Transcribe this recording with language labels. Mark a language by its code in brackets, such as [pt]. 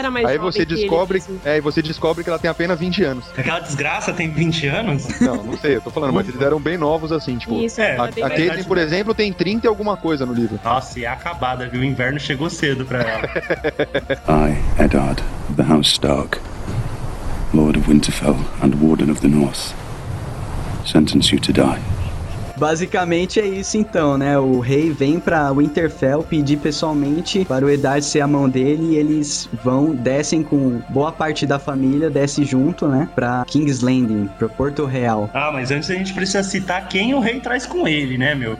[pt] Aí você descobre, aí você descobre que ela tem apenas 20 anos. Aquela desgraça tem 20 anos? Não sei, eu tô falando, mas eles eram bem novos assim, tipo. Isso, a Caitlyn, por exemplo, tem 30 e alguma coisa no livro. Nossa, e é acabada, viu? O inverno chegou cedo pra ela. [en] I, Eddard, the House Stark, Lord of Winterfell and Warden of the North, sentence you to die. [pt] Basicamente é isso então, né? O rei vem pra Winterfell pedir pessoalmente para o Eddard ser a mão dele e eles vão, descem com boa parte da família, desce junto, né? Pra King's Landing, pro Porto Real. Ah, mas antes a gente precisa citar quem o rei traz com ele, né, meu?